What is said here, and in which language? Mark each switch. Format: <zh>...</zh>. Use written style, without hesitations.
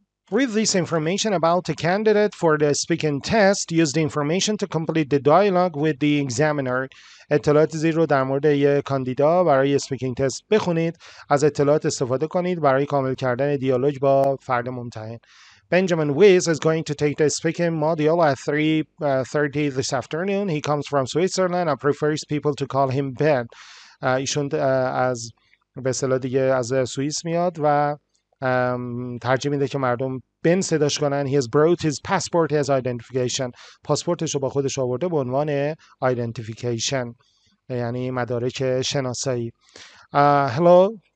<en>With this information about a candidate for the speaking test, use the information to complete the dialogue with the examiner.</en> <fa>اطلاعات زیر رو در مورد یه کاندیدا برای speaking test بخونید. از اطلاعات استفاده کنید برای کامل کردن دیالوگ با فرد ممتحن.</fa> <en>Benjamin Wiss is going to take the speaking module at 3:30 this afternoon. He comes from Switzerland and prefers people to call him Ben.</en> <fa>ایشون از به اصطلاح دیگه از سوئیس میاد و ترجیح میده که مردم بن صداش کنن.</fa> <en>He has brought his passport as identification.</en> <fa>پاسپورتش رو با خودش آورده به عنوان identification. یعنی مدارک شناسایی.</fa> <en>Hello.</en>